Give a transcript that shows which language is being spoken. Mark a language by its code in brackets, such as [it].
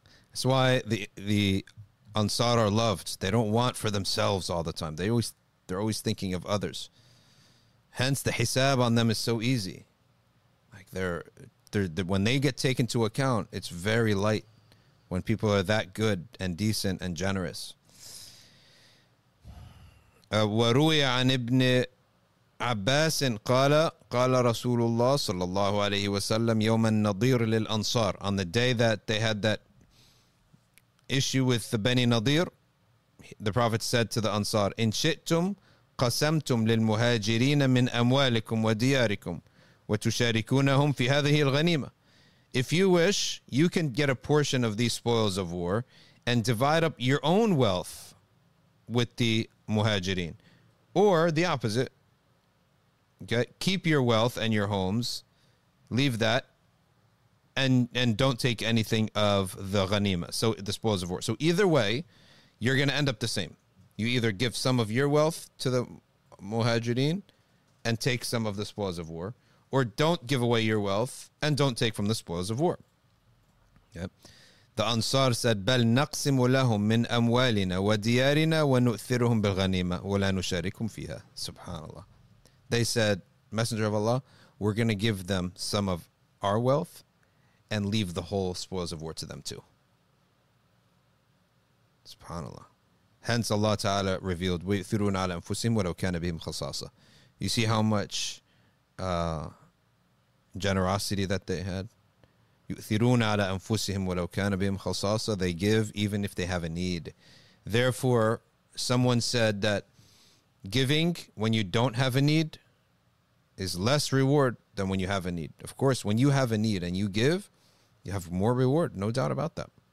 [en] That's why the Ansar are loved. They don't want for themselves all the time. They're always thinking of others. Hence, the hisab on them is so easy. like they're when they get taken to account, it's very light when people are that good and decent and generous. [ar] وروي عن ابن عباس قال قال رسول الله صلى الله عليه وسلم يوم النضير للأنصار. [en] On the day that they had that issue with the Bani Nadir, the Prophet said to the Ansar, [ar] إن شئتم قسمتم للمهاجرين من أموالكم ودياركم وتشاركونهم في هذه الغنيمة. [en] If you wish, you can get a portion of these spoils of war and divide up your own wealth with the Muhajirin. Or the opposite. Keep your wealth and your homes. Leave that. And don't take anything of the ghanima. So the spoils of war. So either way, you're going to end up the same. You either give some of your wealth to the Muhajirin and take some of the spoils of war. Or don't give away your wealth and don't take from the spoils of war. Yep. The Ansar said, [ar] بَلْ نَقْسِمُ لَهُمْ مِنْ أَمْوَالِنَا وَدِيَارِنَا وَنُؤْثِرُهُمْ بِالْغَنِيمَةِ وَلَا نُشَارِكُمْ فِيهَا. Subhanallah. [en] They said, Messenger of Allah, we're going to give them some of our wealth and leave the whole spoils of war to them too. [ar] Subhanallah. [en] Hence Allah Ta'ala revealed, [ar] وَيُؤْثِرُونَ عَلَى أَنفُسِهِمْ وَلَوْ كَانَ بِهِمْ خَصَاصَةً. [en] You see how much generosity that they had? [ar] يؤثرون على أنفسهم ولو كان بهم خصاصة. [en] They give even if they have a need. Therefore, someone said that giving when you don't have a need is less reward than when you have a need. Of course, when you have a need and you give, you have more reward, no doubt about that.